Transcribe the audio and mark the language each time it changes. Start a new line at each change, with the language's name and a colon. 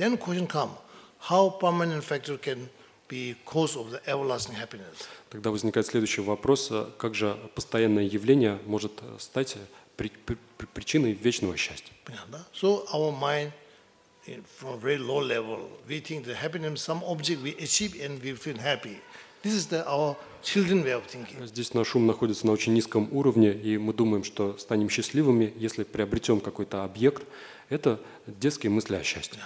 English: Then question come, how permanent factor can be cause of the everlasting happiness.
Russian: Тогда возникает следующий вопрос: как же постоянное явление может стать причиной вечного счастья? Да.
English: So our mind, from a very low level, we think the happiness some object we achieve and we feel happy. This is our children way of thinking.
Russian: Здесь наш ум находится на очень низком уровне, и мы думаем, что станем счастливыми, если приобретем какой-то объект. Это детские мысли о счастье.